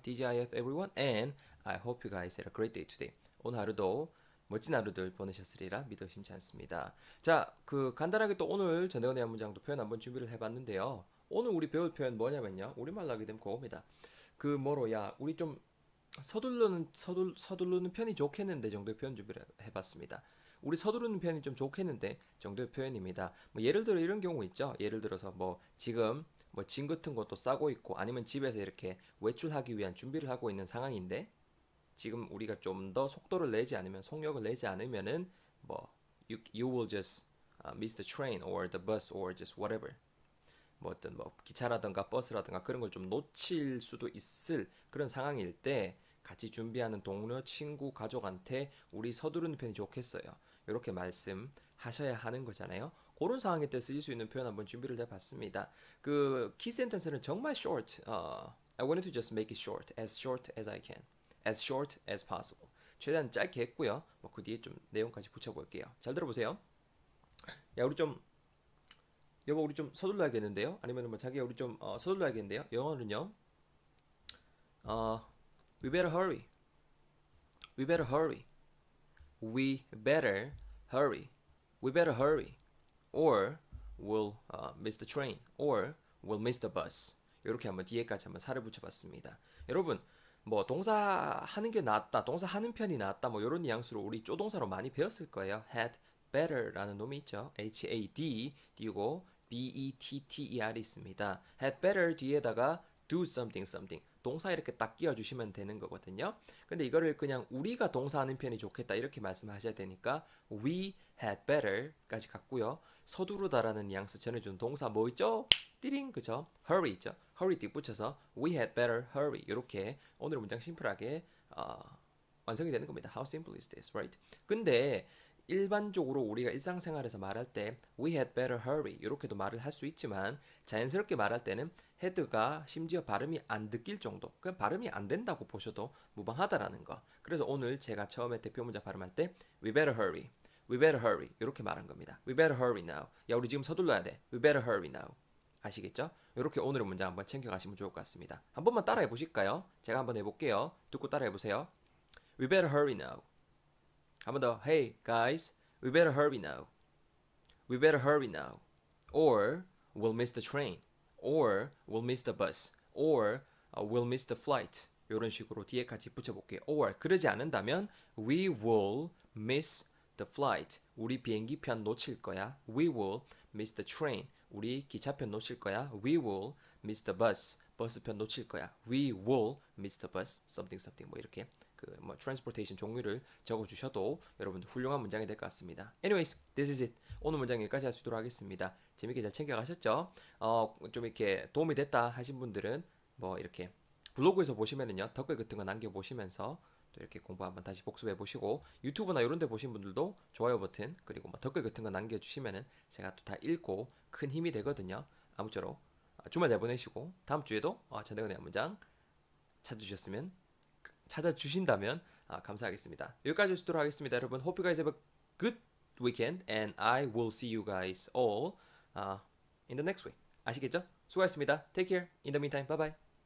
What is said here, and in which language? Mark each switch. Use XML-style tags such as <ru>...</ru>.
<en>DGIF everyone, and I hope you guys had a great day today.</en> <ko>오늘 하루도 멋진 하루들 보내셨으리라 믿어 의심치 않습니다. 자, 간단하게 또 오늘 전대건의 한 문장도 표현 한번 준비를 해봤는데요. 오늘 우리 배울 표현 뭐냐면요. 우리말로 하게 되면 그겁니다. 그 뭐로, 야, 우리 좀 서두르는 편이 좋겠는데 정도의 표현 준비를 해봤습니다. 우리 서두르는 편이 좀 좋겠는데 정도의 표현입니다. 뭐 예를 들어 이런 경우 있죠. 예를 들어서 뭐 지금 뭐짐 같은 것도 싸고 있고 아니면 집에서 이렇게 외출하기 위한 준비를 하고 있는 상황인데 지금 우리가 좀더 속도를 내지 않으면 속력을 내지 않으면은 뭐</ko> <en>you will just miss the train or the bus or just whatever.</en> <ko>뭐 어떤 뭐 기차라든가 버스라든가 그런 걸좀 놓칠 수도 있을 그런 상황일 때 같이 준비하는 동료, 친구, 가족한테 우리 서두르는 편이 좋겠어요. 이렇게 말씀하셔야 하는 거잖아요. 그런 상황일 때 쓰일 수 있는 표현 한번 준비를 해봤습니다. 그키 센텐스는 정말 short.</ko> <en>I wanted to just make it short as I can, as short as possible.</en> <ko>최대한 짧게 했고요. 뭐그 뒤에 좀 내용까지 붙여볼게요. 잘 들어보세요. 야, 우리 좀 여보, 우리 좀 서둘러야겠는데요? 아니면 뭐 자기야, 우리 좀 서둘러야겠는데요? 영어는요?</ko> <en>We better hurry. We better hurry. We better hurry. We better hurry. Or we'll miss the train. Or we'll miss the bus.</en> <ko>이렇게 한번 뒤에까지 한번 살을 붙여봤습니다. 여러분, 뭐 동사 하는 게 낫다, 동사 하는 편이 낫다, 뭐 이런 뉘앙스로 우리 조동사로 많이 배웠을 거예요. Had better라는 놈이 있죠. HAD 뒤고 BETTER이 있습니다.</ko> <en>Had better</en> <ko>뒤에다가</ko> <en>do something something.</en> <ko>동사 이렇게 딱 끼워주시면 되는 거거든요. 근데 이거를 그냥 우리가 동사하는 편이 좋겠다 이렇게 말씀하셔야 되니까</ko> <en>we had better</en> <ko>까지 갔고요. 서두르다라는 뉘앙스 전해주는 동사 뭐 있죠? 띠링, 그죠? hurry 있죠? hurry 뒷붙여서</ko> <en>we had better hurry</en> <ko>이렇게 오늘 문장 심플하게 완성이 되는 겁니다.</ko> <en>How simple is this, right?</en> <ko>근데 일반적으로 우리가 일상생활에서 말할 때</ko> <en>we had better hurry</en> <ko>이렇게도 말을 할수 있지만 자연스럽게 말할 때는 헤드가 심지어 발음이 안 듣길 정도, 그냥 발음이 안 된다고 보셔도 무방하다라는 거. 그래서 오늘 제가 처음에 대표 문자 발음할 때</ko> <en>we better hurry, we better hurry</en> <ko>이렇게 말한 겁니다.</ko> <en>we better hurry now.</en> <ko>야, 우리 지금 서둘러야 돼.</ko> <en>we better hurry now.</en> <ko>아시겠죠? 이렇게 오늘의 문장 한번 챙겨가시면 좋을 것 같습니다. 한 번만 따라해 보실까요? 제가 한번 해볼게요. 듣고 따라해 보세요.</ko> <en>we better hurry now.</en> <ko>한번 더.</ko> <en>Hey guys, we better hurry now. We better hurry now. Or we'll miss the train. Or we'll miss the bus. Or we'll miss the flight.</en> <ko>이런 식으로 뒤에까지 붙여볼게요.</ko> <en>Or</en> <ko>그러지 않는다면</ko> <en>we will miss the flight.</en> <ko>우리 비행기 편 놓칠 거야.</ko> <en>We will miss the train.</en> <ko>우리 기차 편 놓칠 거야.</ko> <en>We will miss the bus.</en> <ko>버스 편 놓칠 거야.</ko> <en>We will miss the bus. Something something</en> <ko>뭐 이렇게. 뭐 트랜스포테이션 종류를 적어주셔도 여러분들 훌륭한 문장이 될것 같습니다.</ko> <en>Anyways, this is it.</en> <ko>오늘 문장 여기까지 할수 있도록 하겠습니다. 재밌게 잘 챙겨가셨죠? 좀 이렇게 도움이 됐다 하신 분들은 뭐 이렇게 블로그에서 보시면은요, 댓글 같은 거 남겨보시면서 또 이렇게 공부 한번 다시 복습해 보시고 유튜브나 이런 데 보신 분들도 좋아요 버튼 그리고 뭐 댓글 같은 거 남겨주시면은 제가 또다 읽고 큰 힘이 되거든요. 아무쪼록 주말 잘 보내시고 다음 주에도 전대근의 문장 찾아주셨으면. 찾아주신다면 감사하겠습니다. 여기까지 하도록 하겠습니다. 여러분,</ko> <en>hope you guys have a good weekend and I will see you guys all in the next week.</en> <ko>아시겠죠? 수고하셨습니다.</ko> <en>Take care. In the meantime, bye bye.</en>